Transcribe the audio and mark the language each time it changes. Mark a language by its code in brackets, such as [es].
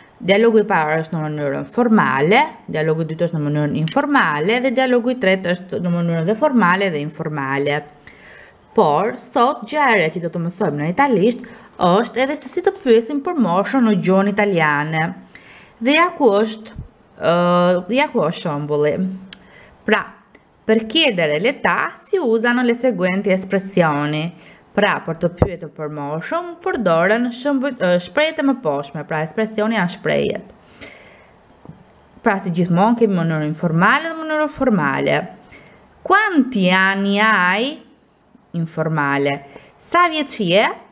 [sq] Dialogu i parë është në mënyrën formale, dialogu i dytë është në mënyrën informale dhe dialogu i tretë është në mënyrën dhe formale dhe informale. Por, sot gjëja e re që do të mësojmë në italisht është edhe se si të pyesim për moshën në gjuhën italiane. Dhe ja ku është shembulli. [it] Pra, per chiedere l'età si usano le seguenti espressioni. [sq] Pra, për të pyetur për moshën, përdoren shprehjet e mposhme, pra espresioni janë shprehjet. Pra, si gjithmonë kemi mënyrën informale dhe mënyrën formale. [it] Quanti anni hai? Informale. [sq] Sa vjeç je?